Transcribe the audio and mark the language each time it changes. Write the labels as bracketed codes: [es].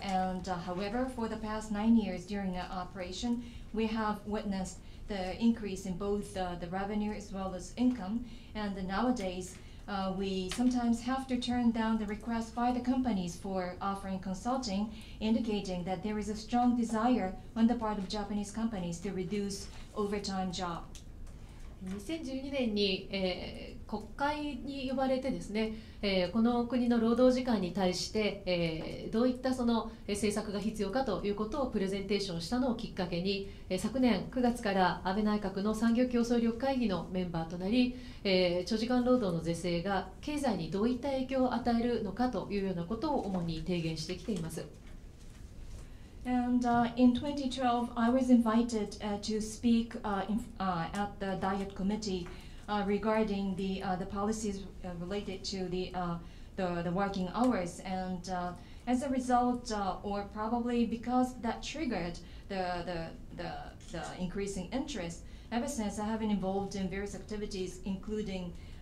[en] And however, for the past 9 years during our operation, we have witnessed the increase in both the revenue as well as income. And nowadays, we sometimes have to turn down the request by the companies for offering consulting, indicating that there is a strong desire on the part of Japanese companies to reduce overtime job. [ja] 2012年に、国会に呼ばれてですね、この国の労働時間に対して、どういったその政策が必要かということをプレゼンテーションしたのをきっかけに、昨年9月から安倍内閣の産業競争力会議のメンバーとなり、長時間労働の是正が経済にどういった影響を与えるのかというようなことを主に提言してきています。 [en] And in 2012, I was invited to speak at the Diet Committee regarding the policies related to the working hours. And as a result, or probably because that triggered the increasing interest, ever since I have been involved in various activities, including